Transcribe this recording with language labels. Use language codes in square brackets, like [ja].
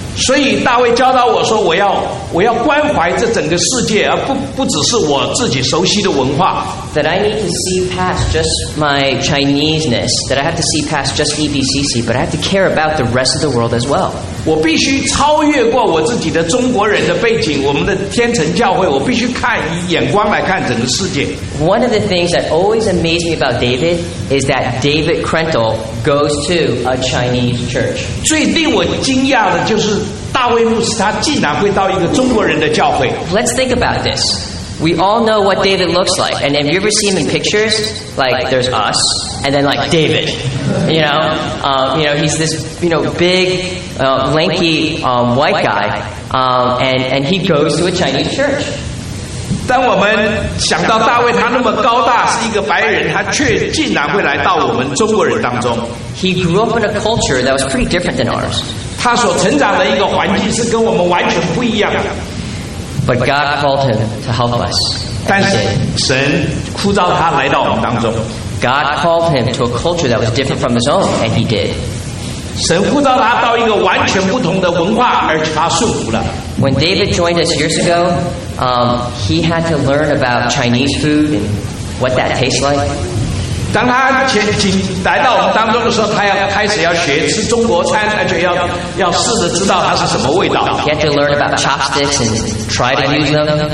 [zh] 所以大卫教导我说我要关怀这整个世界，而不只是我自己熟悉的文化。 [en] That I need to see past just my Chinese-ness, that I have to see past just EBCC, but I have to care about the rest of the world as well. [zh] 我必须超越过我自己的中国人的背景，我们的天成教会，我必须看以眼光来看整个世界。 [en] One of the things that always amazed me about David is that David Krentel goes to a Chinese church. [zh] 最令我惊讶的就是大卫牧师他竟然会到一个中国人的教会。 [en] Let's think about this. We all know what David looks like, and have you ever seen him in pictures? Like there's us, and then like David. You know, he's this, you know, big, lanky, white guy, and he goes to a Chinese church. [zh] 当我们想到大卫他那么高大是一个白人，他却竟然会来到我们中国人当中。 [en] He grew up in a culture that was pretty different than ours. [zh] 他所成长的一个环境是跟我们完全不一样的。 [en] But God called him to help us. [zh] 但是神呼召他来到我们当中。 [en] God called him to a culture that was different from his own, and he did. [zh] 神呼召他到一个完全不同的文化，而且他顺服了。 [en] When David joined us years ago, he had to learn about Chinese food and what that tastes like. [zh] 当他前来到我们当中的时候，他要开始要学吃中国餐，而且要试着知道它是什么味道。 [en] He had to learn about chopsticks and try to use them.